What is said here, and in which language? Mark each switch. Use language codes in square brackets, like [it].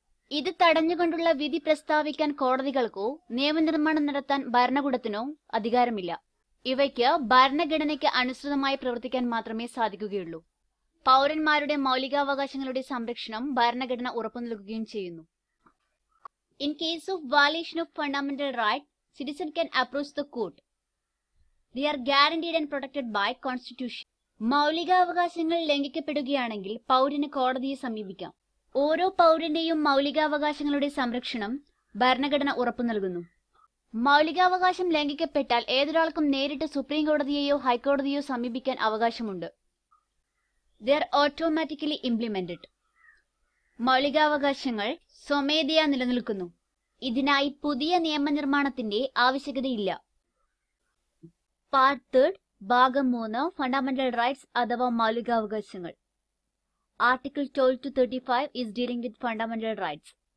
[ml] ഇത് തടഞ്ഞുകൊണ്ടുള്ള വിധി പ്രസ്താവിക്കാൻ കോടതികൾക്കോ നിയമനിർമ്മാണം നടത്താൻ ഭരണകൂടത്തിനോ അധികാരമില്ല. ഇവയ്ക്ക് ഭരണഘടനയ്ക്ക് അനുസൃതമായി പ്രവർത്തിക്കാൻ മാത്രമേ സാധിക്കുകയുള്ളൂ. പൗരന്മാരുടെ മൗലികാവകാശങ്ങളുടെ സംരക്ഷണം ഭരണഘടന ഉറപ്പു നൽകുകയും ചെയ്യുന്നു. [en] In case of violation of fundamental right citizen can approach the court. They are guaranteed and protected by constitution. [ml] മൗലികാവകാശങ്ങൾ ലംഘിക്കപ്പെടുകയാണെങ്കിൽ പൗരന് കോടതിയെ സമീപിക്കാം. ഓരോ പൗരന്റെയും മൗലികാവകാശങ്ങളുടെ സംരക്ഷണം ഭരണഘടന ഉറപ്പു നൽകുന്നു. മൗലികാവകാശം ലംഘിക്കപ്പെട്ടാൽ ഏതൊരാൾക്കും നേരിട്ട് സുപ്രീം കോടതിയെയോ ഹൈക്കോടതിയോ സമീപിക്കാൻ അവകാശമുണ്ട്. [en] They are automatically implemented. [ml] മൗലികാവകാശങ്ങൾ സ്വമേധയാ നിലനിൽക്കുന്നു. ഇതിനായി പുതിയ നിയമനിർമ്മാണത്തിന്റെ ആവശ്യകതയില്ല. പാർട്ട് തേർഡ്, ഭാഗം 3, ഫണ്ടമെന്റൽ റൈറ്റ്സ് അഥവാ മൗലികാവകാശങ്ങൾ. [en] Article 12-35 is dealing with fundamental rights.